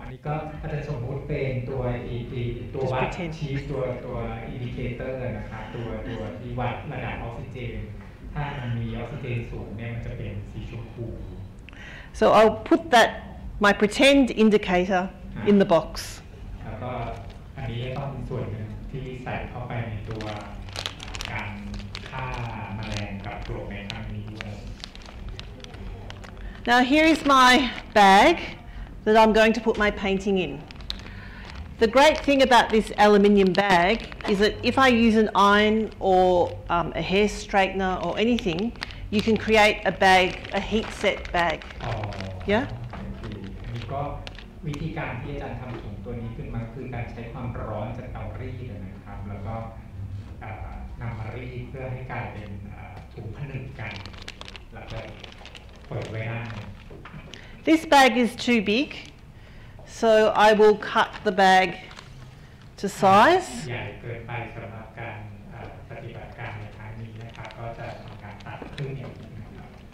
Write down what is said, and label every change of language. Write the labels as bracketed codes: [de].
[th] ก็อาจจะสมมุติเป็นตัว EP ตัววัดชี้ตัวอินดิเคเตอร์นะครับตัวที่วัดระดับออกซิเจนถ้ามันมีออกซิเจนสูงเนี่ยมันจะเป็นสีชมพู [en] So I'll put that my pretend indicator in the box [th] แล้วก็อันนี้ก็เป็นส่วนหนึ่งที่ใส่เข้าไปในตัวการฆ่าแมลงกับกรดในครั้งนี้ด้วย [en] Now here is my bagthat I'm going to put my painting in. The great thing about this aluminium bag is that if I use an iron or a hair straightener or anything, you can create a bag, a heat set bag. Oh, yeah? [th] นี่ก็วิธีการที่อาจารย์ทำถุงตัวนี้ขึ้นมาคือการใช้ความร้อนจากเตารีดนะครับแล้วก็นำมารีดเพื่อให้กลายเป็นถุงผนึกกันแล้วก็เปิดไว้ได้ [en] This bag is too big, so I will cut the bag to size. [th] ใหญ่เกินไปสำหรับการปฏิบัติการในครั้งนี้นะครับก็จะทำการตัดครึ่งใหญ่นะครับ